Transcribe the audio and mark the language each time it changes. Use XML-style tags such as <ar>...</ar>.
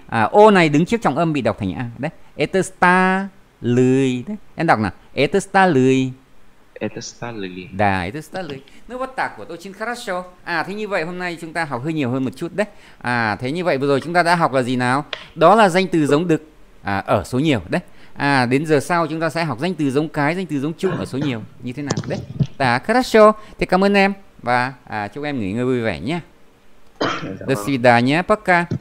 <vi>À, ô này đứng trước trọng âm bị đọc thành a đấy.</vi> <ru>Это столы đấy.</ru> <vi>Em đọc nào.</vi> <ru>Это столы. Это столы. Да, это столы. Ну вот так вот, очень хорошо.</ru> <vi>À, thế như vậy hôm nay chúng ta học hơi nhiều hơn một chút đấy. À, thế như vậy vừa rồi chúng ta đã học là gì nào? Đó là danh từ giống đực ở số nhiều đấy. À, đến giờ sau chúng ta sẽ học danh từ giống cái, danh từ giống chung ở số nhiều như thế nào đấy.</vi> <ru>Да, хорошо.</ru> <vi>Thì cảm ơn em và chúc em nghỉ ngơi vui vẻ nhé.</vi> <ru>До свидания, пока.</ru>